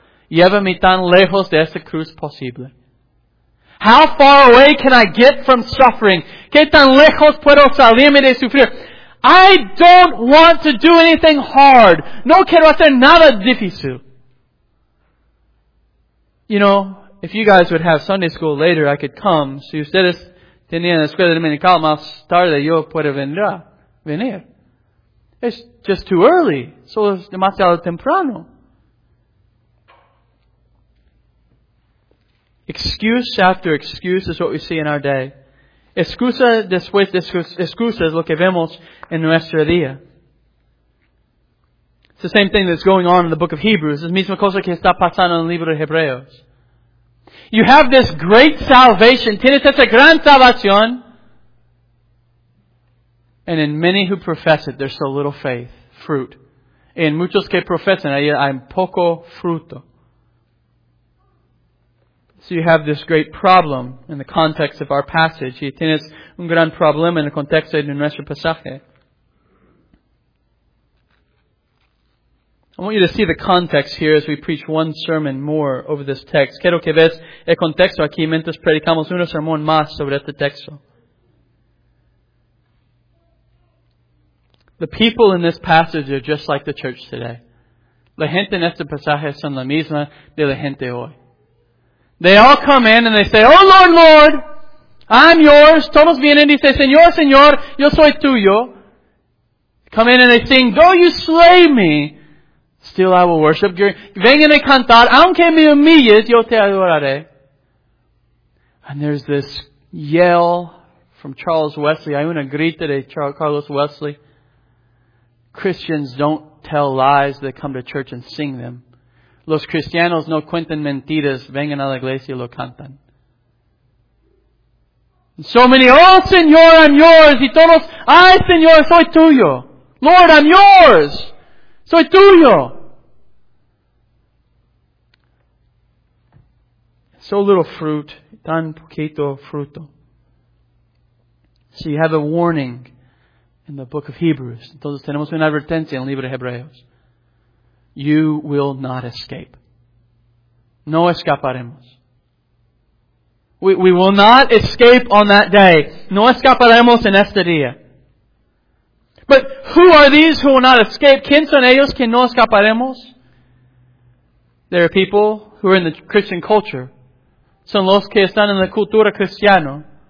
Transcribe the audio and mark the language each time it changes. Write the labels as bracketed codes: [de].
[es] Llévame tan lejos de esa cruz posible. [en] How far away can I get from suffering? [es] ¿Qué tan lejos puedo salirme de sufrir? [en] I don't want to do anything hard. [es] No quiero hacer nada difícil. [en] You know, if you guys would have Sunday school later, I could come. [es] Si ustedes tenían la escuela dominical más tarde, yo puedo venir. [en] It's just too early. [es] Solo es demasiado temprano. [en] Excuse after excuse is what we see in our day. [es] Excusa después de excusa es lo que vemos en nuestro día. [en] It's the same thing that's going on in the book of Hebrews. [es] Es la misma cosa que está pasando en el libro de Hebreos. [en] You have this great salvation. [es] Tienes esta gran salvación. [en] And in many who profess it, there's so little faith, fruit. [es] En muchos que profesan, hay poco fruto. [en] So you have this great problem in the context of our passage. [es] Y tienes un gran problema en el contexto de nuestro pasaje. [en] I want you to see the context here as we preach one sermon more over this text. [es] Quiero que veas el contexto aquí mientras predicamos un sermón más sobre este texto. [en] The people in this passage are just like the church today. [es] La gente en este pasaje son la misma de la gente hoy. [en] They all come in and they say, "Oh Lord, Lord, I'm yours." [es] Todos vienen y dicen, "Señor, Señor, yo soy tuyo." [en] Come in and they sing, "Though you slay me, still I will worship you." [es] Vengan a cantar, "Aunque me humilles, yo te adoraré." [en] And there's this yell from Charles Wesley. [es] Hay una grita de Carlos Wesley. [en] Christians don't tell lies. They come to church and sing them. [es] Los cristianos no cuentan mentiras. Vengan a la iglesia y lo cantan. [en] So many, "Oh, Señor, I'm yours." [es] Y todos, "Ay, Señor, soy tuyo. [en] Lord, I'm yours. [es] Soy tuyo." [en] So little fruit. [es] Tan poquito fruto. [en] So you have a warning in the book of Hebrews. [es] Entonces tenemos una advertencia en el libro de Hebreos. [en] You will not escape. [es] No escaparemos. [en] We will not escape on that day. [es] No escaparemos en este día. [en] But who are these who will not escape? [es] ¿Quién son ellos que no escaparemos? [en] There are people who are in the Christian culture. [es] Son los que están en la cultura cristiana.